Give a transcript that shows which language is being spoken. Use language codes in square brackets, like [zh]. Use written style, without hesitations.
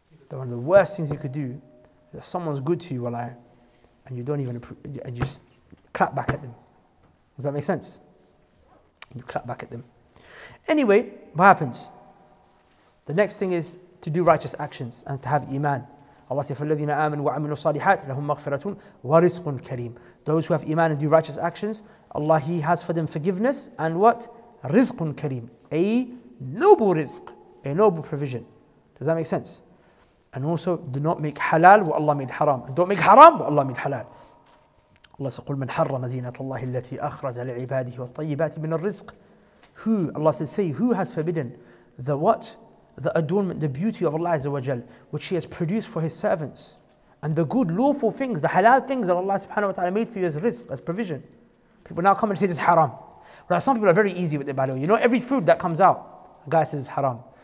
[en] One of the worst things you could do is if someone's good to you, wallahi, and you don't even approve, and you just clap back at them. Does that make sense? You clap back at them. Anyway, what happens? The next thing is to do righteous actions and to have iman. Allah says, [ar] فَالَّذِينَ آمَنُوا وَعَمِلُوا صَالِحَاتِ لَهُمْ مَغْفِرَةٌ وَرِزْقٌ كَرِيمٌ. [en] Those who have iman and do righteous actions, Allah, He has for them forgiveness and what? [ar] رِزْقٌ كَرِيمٌ. [en] Noble rizq, a noble provision. Does that make sense? And also, do not make halal what Allah made haram. And don't make haram what Allah made halal. Allah says, [ar] قُلْ مَنْ حَرَّمَ زِينَةَ اللَّهِ الَّتِي أَخْرَجَ لِعِبَادِهِ وَالطَّيِّبَاتِ مِنَ الرِّزْقِ. [en] Who, Allah says, say, who has forbidden the what? The adornment, the beauty of Allah Azza wa Jal, which He has produced for His servants. And the good, lawful things, the halal things that Allah subhanahu wa ta'ala made for you as rizq, as provision. People now come and say this is haram. Right, some people are very easy with the badu. You know, every food that comes out, a guy says it's haram.